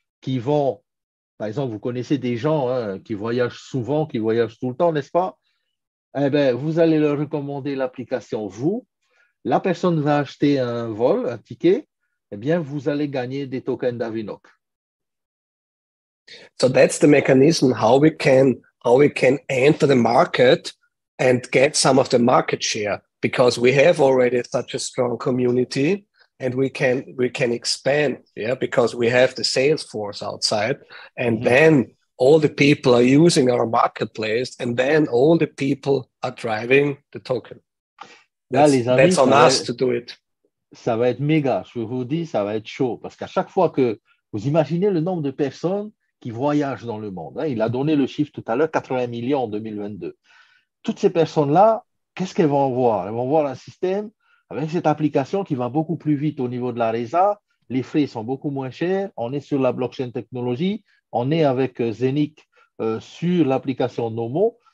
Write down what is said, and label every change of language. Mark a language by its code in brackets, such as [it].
[fr] qui vont, par exemple, vous connaissez des gens hein, qui voyagent souvent, qui voyagent tout le temps, n'est-ce pas? Eh bien, vous allez leur recommander l'application, vous. La personne va acheter un vol, un ticket, eh bien, vous allez gagner des tokens d'Avinoc. [en] So that's the mechanism how we can enter the market and get some of the market share because we have already such a strong community and we can expand, yeah, because we have the sales force outside, and then all the people are using our marketplace, and then all the people are driving the token. [fr] Là, [en] That's [fr] les amis, [en] on us to do it. [fr] ça va être méga, je vous dis, ça va être chaud. Parce qu'à chaque fois que vous imaginez le nombre de personnes qui voyagent dans le monde, hein, il a donné le chiffre tout à l'heure, 80 millions en 2022. Toutes ces personnes-là, qu'est-ce qu'elles vont voir? Elles vont voir un système avec cette application qui va beaucoup plus vite au niveau de la résa, les frais sont beaucoup moins chers, on est sur la blockchain technologie, on est avec Zenic sur l'application Nomo.